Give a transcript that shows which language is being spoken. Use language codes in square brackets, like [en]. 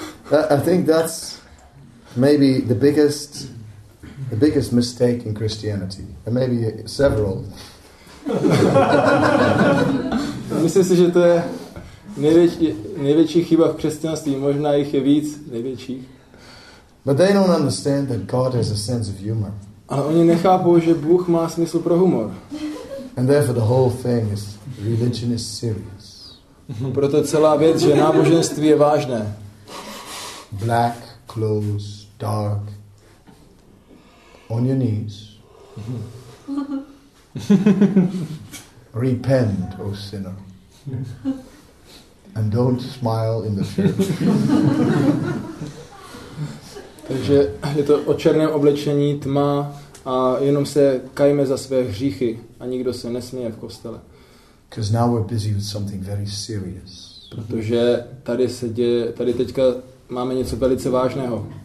[en] I think that's maybe the biggest mistake in Christianity, and maybe several. [cs] Myslím si, že to je největší chyba v křesťanství. Možná jich je víc největších. [en] But they don't understand that God has a sense of humor. [cs] Ale oni nechápou, že Bůh má smysl pro humor. [en] And therefore the whole thing is religion is serious. [cs] Proto celá věc, že náboženství je vážné. [en] Black clothes, dark. On your knees. Repent, O sinner. And don't smile in the fear. [cs] Takže je to o černém oblečení, tma a jenom se kajme za své hříchy a nikdo se nesměje v kostele. [en] Because now we're busy with something very serious. [cs] Protože tady se děje, tady teďka máme něco velice vážného.